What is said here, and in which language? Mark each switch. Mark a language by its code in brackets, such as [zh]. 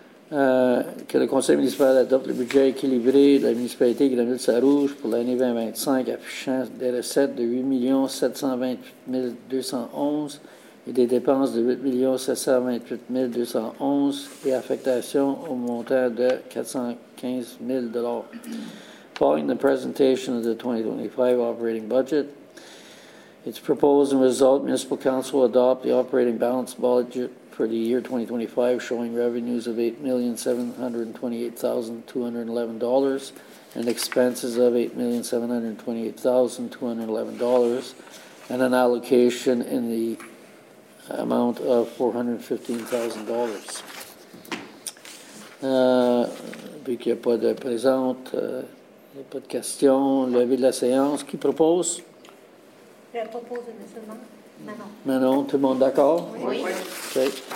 [fr] Que le conseil municipal adopte le budget équilibré de la municipalité Granville-Sarrouge pour l'année 2025, affichant des recettes de 8 728 211 et des dépenses de 8 728 211 et affectation au montant de 415 000 $. [en] Following the presentation of the 2025 operating budget, it's proposed and resolved municipal council adopt the operating balance budget for the year 2025, showing revenues of $8,728,211 and expenses of $8,728,211, and an allocation in the amount of $415,000. [fr] Vu qu'il n'y a pas de présente, il n'y a pas de question, l'avis de la séance, qui propose? Je propose initialement. Manon, tout le monde d'accord? Oui. [en] Okay.